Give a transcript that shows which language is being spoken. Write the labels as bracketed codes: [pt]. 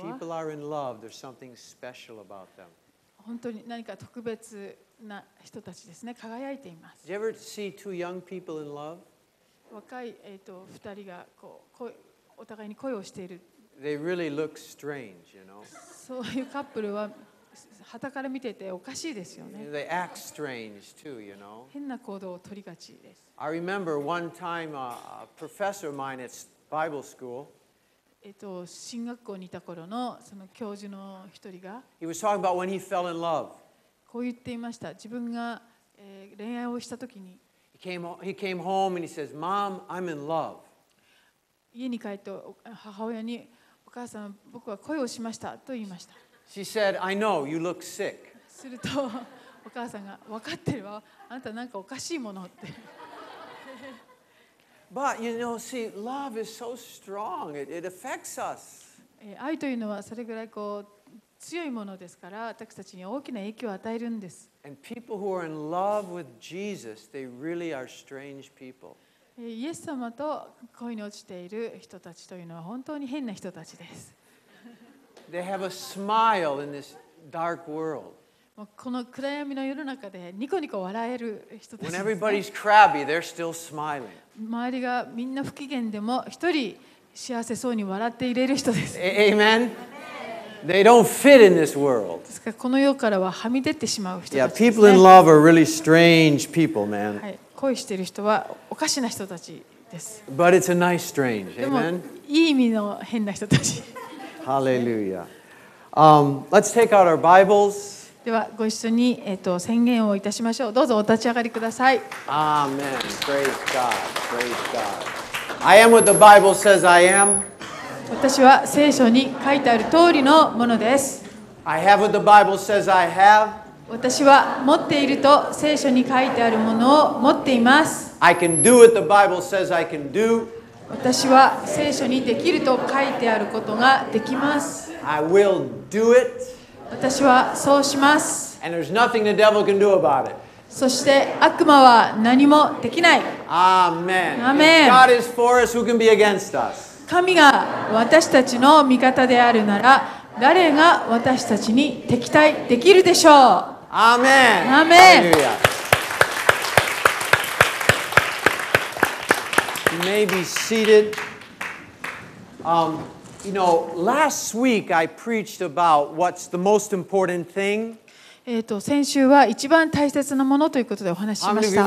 [en] When people are in love, there's something special about them. [ja] 本当に何か特別な人たちですね。輝いています。 [en] Did you ever see two young people in love? [ja] 若い二人がこう恋お互いに恋をしている。 [en] They really look strange, you know. [ja] そういうカップルは。旗から見てておかしいですよね。 [en] They act strange too, you know. [ja] 変な行動を取りがちです。 [en] I remember one time a professor of mine at Bible school. [ja] 進学校にいた頃のその教授の一人が。 [en] He was talking about when he fell in love. [ja] こう言っていました。自分が恋愛をした時に。 [en] He came home and he says, "Mom, I'm in love." [ja] 家に帰って母親にお母さん僕は恋をしましたと言いました。 [en] She said, "I know you look sick." [ja] するとお母さんが分かってるわ。あなたなんかおかしいものって。 [en] But you know, see, love is so strong. It affects us. [ja] 愛というのはそれぐらいこう強いものですから、私たちに大きな影響を与えるんです。 [en] And people who are in love with Jesus, they really are strange people. [ja] イエス様と恋に落ちている人たちというのは本当に変な人たちです。 [en] They have a smile in this dark world. [ja] この暗闇の世の中でニコニコ笑える人たち。 [en] When everybody's crabby, they're still smiling. [ja] 周りがみんな不機嫌でも一人幸せそうに笑っていれる人です。 [en] Amen. They don't fit in this world. [ja] ですからこの世からははみ出てしまう人たちですね。 [en] Yeah, people in love are really strange people, man. [ja] 恋してる人はおかしな人たちです。 [en] But it's a nice strange. Amen. [ja] でもいい意味の変な人たち。 [en] Hallelujah. Let's take out our Bibles. [ja] ではご一緒に宣言をいたしましょう。どうぞお立ち上がりください。 [en] Amen. Praise God. Praise God. I am what the Bible says I am. [ja] 私は聖書に書いてある通りのものです。 [en] I have what the Bible says I have. [ja] 私は持っていると聖書に書いてあるものを持っています。 [en] I can do what the Bible says I can do. [ja] 私は聖書にできると書いてあることができます。 [en] I will do it. [ja] 私はそうします。 [en] And there's nothing the devil can do about it. [ja] そして悪魔は何もできない。 [en] Amen. Amen. If God is for us, who can be against us? [ja] 神が私たちの味方であるなら、誰が私たちに敵対できるでしょう。 [en] Amen. Amen. Hallelujah. You may be seated. You know, last week I preached about what's the most important thing. [ja] 先週は一番大切なものということでお話ししました。